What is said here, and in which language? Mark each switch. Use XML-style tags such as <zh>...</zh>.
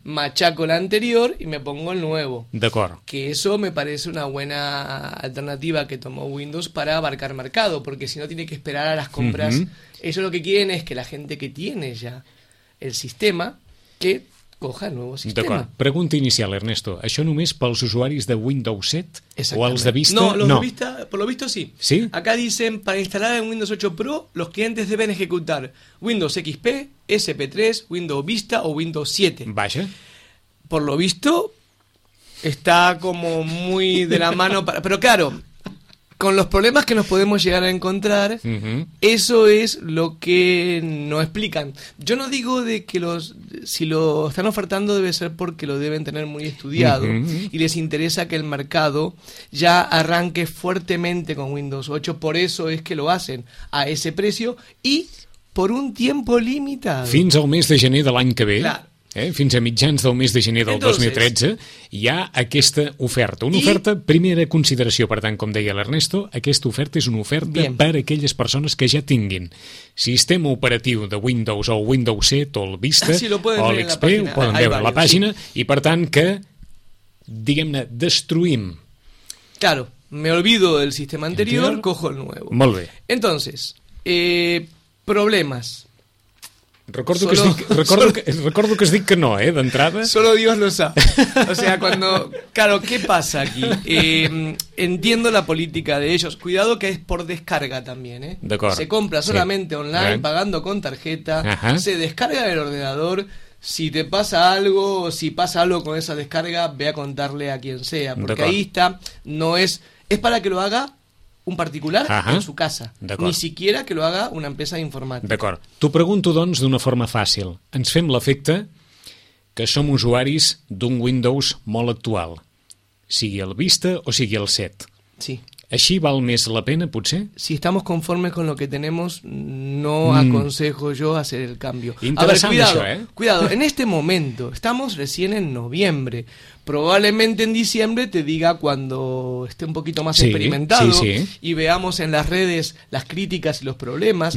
<es>machaco el anterior y me pongo el nuevo.</es> <ca>D'acord.</ca> <es>Que eso me parece una buena alternativa que tomó Windows para abarcar mercado, porque si no tiene que esperar a las compras. Uh-huh. Eso lo que quieren es que la gente que tiene ya el sistema, que coja el nuevo sistema.</es> <ca>D'acord. Pregunta inicial, Ernesto. ¿Això només pels usuaris de Windows 7 o els de Vista?</ca> <es>No, de Vista, por lo visto sí. Sí. Acá dicen, para instalar en Windows 8 Pro, los clientes deben ejecutar Windows XP, SP3, Windows Vista o Windows 7.</es> <ca>Vaja.</ca> <es>Por lo visto, está como muy de la mano. Pero claro, con los problemas que nos podemos llegar a encontrar, uh-huh, eso es lo que no explican. Yo no digo de que los, si lo están ofertando, debe ser porque lo deben tener muy estudiado, uh-huh, y les interesa que el mercado ya arranque fuertemente con Windows 8, por eso es que lo hacen a ese precio y por un tiempo limitado.</es> <ca>Fins al mes de gener de l'any que ve.</ca> <es>Claro.</es> <ca>Fins a mitjans del mes de gener del 2013, hi ha aquesta oferta. Una oferta, primera consideració, per tant, com deia l'Ernesto, aquesta oferta és una oferta per a aquelles persones que ja tinguin sistema operatiu de Windows o Windows 7 o el Vista o l'XP, ho poden veure a la pàgina, i per tant que, diguem-ne, destruïm.</ca> <es>Claro, me olvido del sistema anterior, cojo el nuevo.</es> <ca>Molt bé.</ca> <es>Entonces, problemas.</es> <ca>Recordo que es dic que no, d'entrada.</ca> <es>Solo Dios lo sabe. O sea, cuando... Claro, ¿qué pasa aquí? Entiendo la política de ellos. Cuidado que es por descarga también, ¿eh?</es> <ca>D'acord.</ca> <es>Se compra solamente online, pagando con tarjeta. Ajá. Se descarga del ordenador. Si te pasa algo, si pasa algo con esa descarga, ve a contarle a quien sea. Porque ahí está. No es... Es para que lo haga un particular. Ajá. En su casa.</es> <ca>D'acord.</ca> <es>Ni siquiera que lo haga una empresa informática.</es> <ca>D'acord. T'ho pregunto, doncs, d'una forma fàcil. Ens fem l'efecte que som usuaris d'un Windows molt actual, sigui el Vista o sigui el 7. Sí. Així val més la pena, potser?</ca> <es>Si estamos conformes con lo que tenemos, no aconsejo yo hacer el cambio.</es> <ca>Interessant,</ca> <es>a ver, cuidado,</es> <ca>això, eh?</ca> <es>Cuidado, en este momento, estamos recién en noviembre. Probablemente en diciembre te diga cuando esté un poquito más experimentado, sí, sí. Y veamos en las redes las críticas y los problemas.</es>